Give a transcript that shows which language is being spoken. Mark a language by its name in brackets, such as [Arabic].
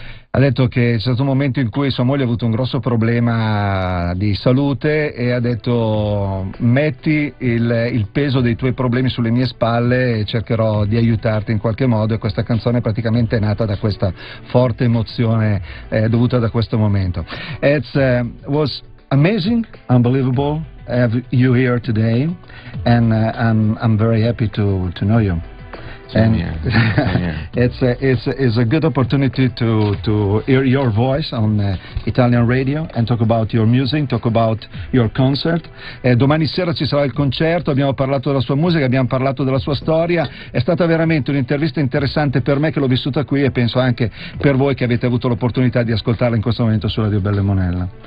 [Italian] Ha detto che c'è stato un momento in cui sua moglie ha avuto un grosso problema di salute e ha detto, metti il peso dei tuoi problemi sulle mie spalle e cercherò di aiutarti in qualche modo, e questa canzone è praticamente nata da questa forte emozione dovuta da questo momento. [English] It was amazing, unbelievable. Have you here today, and I'm very happy to know you. It's a good opportunity to hear your voice on Italian radio and talk about your music, talk about your concert. [Italian] Domani sera ci sarà il concerto, abbiamo parlato della sua musica, abbiamo parlato della sua storia. È stata veramente un'intervista interessante per me che l'ho vissuta qui e penso anche per voi che avete avuto l'opportunità di ascoltarla in questo momento su Radio Belle Monella.